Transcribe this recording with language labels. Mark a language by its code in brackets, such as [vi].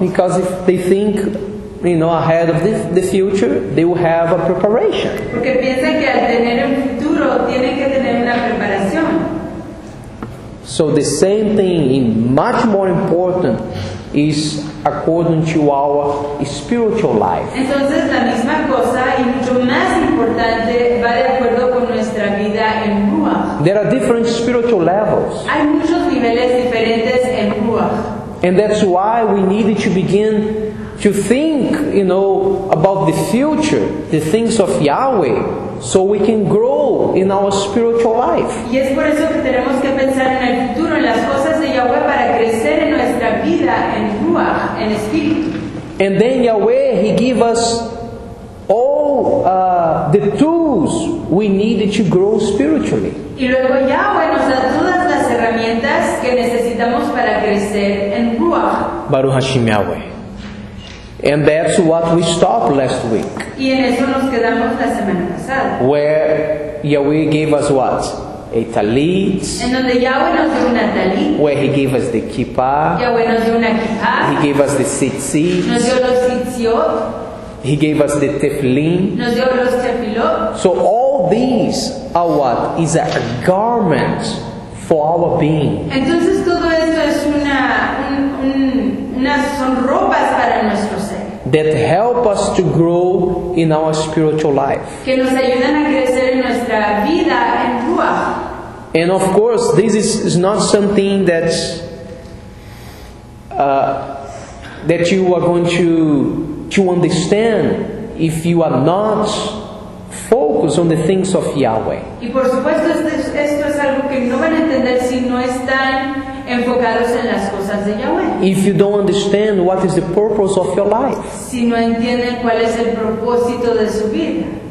[en] Because if they think, you know, ahead of the future, they will have a preparation. [es] Porque piensan que al tener un futuro, tienen que tener una preparación. [en] So the same thing, much more important, is according to our spiritual life. [es] Entonces la misma cosa y mucho más importante va de acuerdo con nuestra vida en Ruach. [en] There are different spiritual levels. [es] Hay muchos niveles diferentes en Ruach. [en] And that's why we needed to begin to think, you know, about the future, the things of Yahweh, so we can grow in our spiritual life. [es] Y es por eso que tenemos que pensar en el futuro, en las cosas de Yahweh, para crecer en nuestra vida, en Ruach, en Espíritu. [en] And then Yahweh, He gave us all the tools we needed to grow spiritually. [es] Y luego Yahweh nos da todas las herramientas que necesitamos para crecer en Ruach. [he] Baruch Hashem Yahweh. [en] And that's what we stopped last week. [es] Y en eso nos quedamos la semana pasada. [en] Where Yahweh gave us what? A talit. [es] En donde Yahweh nos dio una talit. [en] Where He gave us the kippah. [es] Yahweh nos dio una kippah. [en] He gave us the tzitzit. [es] Nos dio los tzitziot. [en] He gave us the tefillin. [es] Nos dio los tefilot. [en] So all these are what? Is a garment for our being. [es] Entonces todo esto es una, un, un, un son ropas para nuestro ser. [en] That help us to grow in our spiritual life. [es] Que nos ayudan a crecer en nuestra vida en Ruach. [en] And of course, this is not something that that you are going to understand if you are not focused on the things of Yahweh. [es] Y por supuesto, esto es algo que no van a entender si no están enfocados en las cosas de Yahweh. [en] If you don't understand what is the purpose of your life. [es] Si no entienden cuál es el propósito de su vida.